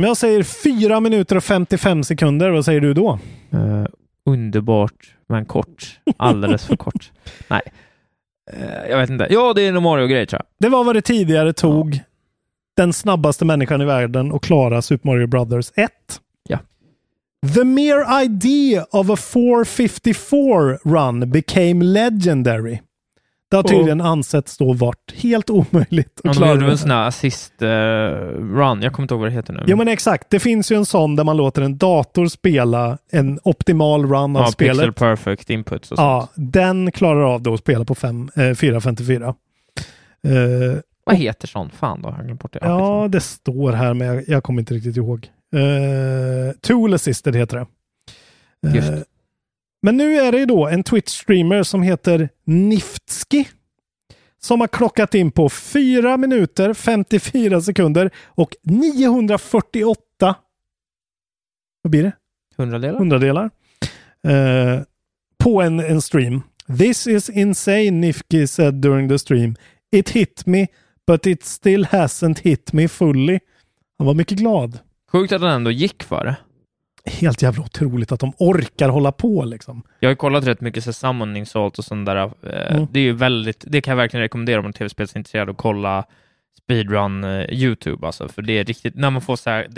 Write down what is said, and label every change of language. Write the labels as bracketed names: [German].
[Swedish] Men jag säger 4 minuter och 55 sekunder. Vad säger du då? Underbart, men kort. Alldeles för kort. Nej, jag vet inte. Ja, det är en Mario-grej, tror jag. Det var vad det tidigare tog den snabbaste människan i världen att klara Super Mario Brothers 1. Ja. [English] The mere idea of a 454 run became legendary. [Swedish] Det har tydligen ansetts då vart helt omöjligt. Man lade en sån här assist run. Jag kommer inte ihåg vad det heter nu. Ja, men exakt. Det finns ju en sån där man låter en dator spela en optimal run av spelet. [English] Pixel perfect input. [Swedish] Ja, den klarar av då att spela på 4.54. Vad heter sån fan då? Ja, det står här, men jag kommer inte riktigt ihåg. Tool assisted heter det. Just. Men nu är det ju då en Twitch-streamer som heter Niftski som har klockat in på 4 minuter, 54 sekunder och 948 vad blir det? Hundradelar. På en stream. [English] This is insane, Niftski said during the stream. It hit me, but it still hasn't hit me fully. [Swedish] Han var mycket glad. Sjukt att han ändå gick för det. Helt jävla otroligt att de orkar hålla på liksom. Jag har ju kollat rätt mycket så summoning salt och sånt där. Det är ju väldigt, det kan jag verkligen rekommendera om en tv-spel är intresserad att kolla speedrun YouTube alltså, för det är riktigt när man får så här,